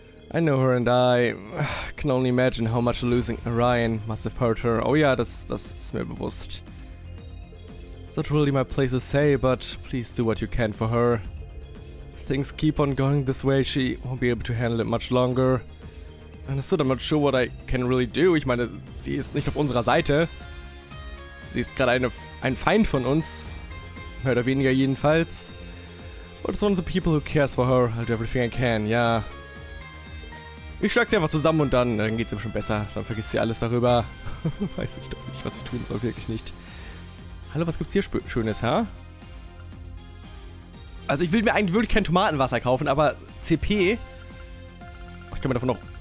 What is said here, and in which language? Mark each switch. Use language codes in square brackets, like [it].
[en] I know her and I can only imagine how much losing Orion must have hurt her. [de] Oh yeah, das ist mir bewusst. [en] It's not really my place to say, but please do what you can for her. If things keep on going this way, she won't be able to handle it much longer. Understood, I'm not sure what I can really do. [de] Ich meine, sie ist nicht auf unserer Seite. Sie ist gerade ein Feind von uns. Mehr oder weniger jedenfalls. [en] But as one of the people who cares for her, I'll do everything I can, yeah. [de] Ich schlag sie einfach zusammen und dann geht's ihm schon besser. Dann vergisst sie alles darüber. Weiß ich doch nicht, was ich tun soll, wirklich nicht. Hallo, was gibt's hier Schönes, ha? Also ich will mir eigentlich wirklich kein Tomatenwasser kaufen, aber CP... Ich kann mir davon noch...